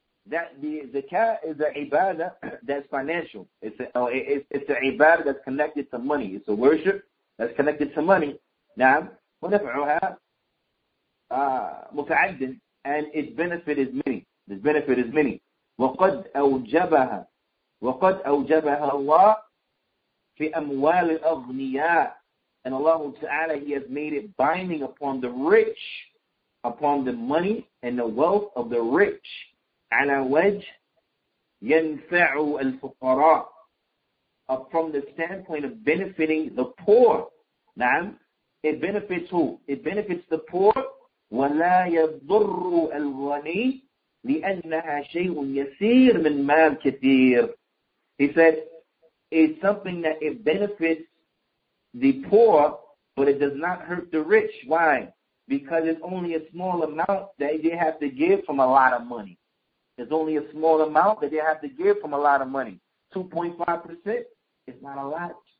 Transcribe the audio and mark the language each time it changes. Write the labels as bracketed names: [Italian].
[English] that the zakah is an ibadah that's financial. It's an ibadah that's connected to money. It's a worship that's connected to money. Now, [Arabic] ونفعها متعدد, [English] and its benefit is many. Its benefit is many. [Arabic] وقد أوجبها الله في أموال الأغنياء. [English] And Allah Ta'ala, He has made it binding upon the rich, upon the money and the wealth of the rich. [Arabic] على وجه ينفع الفقراء. [English] From the standpoint of benefiting the poor. نعم. It benefits who? It benefits the poor. [Arabic] ولا يضر الغني لأنها شيء يسير من مال كثير. [English] He said, it's something that it benefits the poor, but it does not hurt the rich. Why? Because it's only a small amount that they have to give from a lot of money. It's only a small amount that they have to give from a lot of money. 2.5% is not a lot.